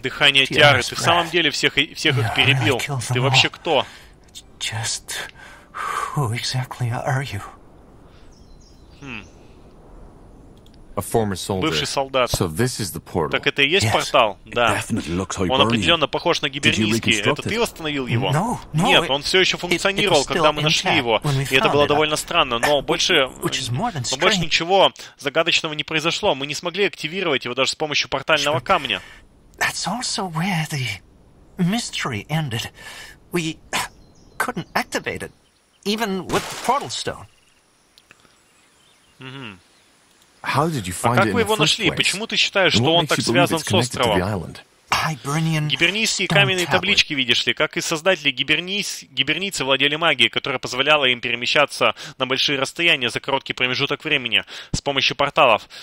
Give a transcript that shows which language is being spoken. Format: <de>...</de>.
<ru>Дыхание Тиары, ты в самом деле всех, всех их перебил. Ты вообще кто?</ru> <en>Just who exactly are you? A former soldier.</en> <ru>Бывший солдат.</ru> <en>So this is the portal.</en> <ru>Так это и есть портал? Да. Он определенно похож на гибернийский. Это ты восстановил его? Нет, он все еще функционировал, когда мы нашли его. И это было довольно странно. Но больше ничего загадочного не произошло. Мы не смогли активировать его даже с помощью портального камня.</ru> <en>That's also where the mystery ended. We couldn't activate it, even with the portal stone. Mm-hmm. How did you find</en> <ru>it? А как вы его нашли? Почему ты считаешь, что он так связан с островом? Гибернийские каменные таблички, видишь ли, как и создатели гибернийцы владели магией, которая позволяла им перемещаться на большие расстояния за короткий промежуток времени с помощью порталов.</ru>